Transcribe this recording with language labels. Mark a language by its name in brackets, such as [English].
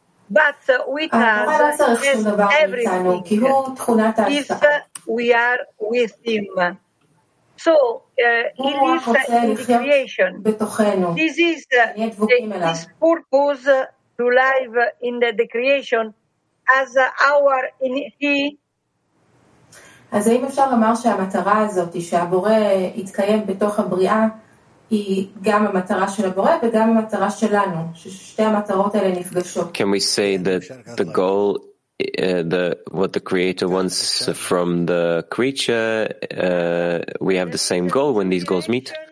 [English] But with us, is everything if we are with him. So, he lives in the creation. This is his purpose to live in the creation as our in he. [Hebrew] אז האם אפשר לומר שהמטרה הזאת שהבורא יתקיים בתוך הבריאה היא גם המטרה של הבורא וגם המטרה שלנו ששתי המטרות האלה נפגשות? [English] Can we say that the goal the what the creator wants from the creature we have the same goal when these goals meet?